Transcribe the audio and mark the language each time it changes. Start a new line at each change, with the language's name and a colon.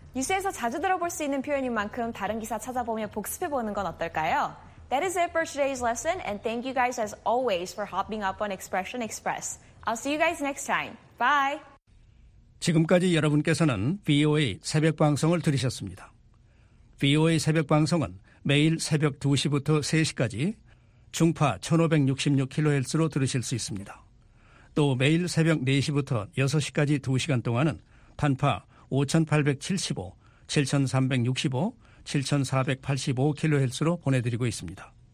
Korean: 뉴스에서 자주 들어볼 수 있는 표현인 만큼 다른 기사 찾아보며 복습해보는 건 어떨까요?
English: That is it for today's lesson and thank you guys as always for hopping up on Expression Express. I'll see you guys next time. Bye!
Korean: 지금까지 여러분께서는 VOA 새벽 방송을 들으셨습니다. VOA 새벽 방송은 매일 새벽 2시부터 3시까지 중파 1566kHz로 들으실 수 있습니다. 또 매일 새벽 4시부터 6시까지 2시간 동안은 단파 5875, 7365, 7485kHz로 보내드리고 있습니다.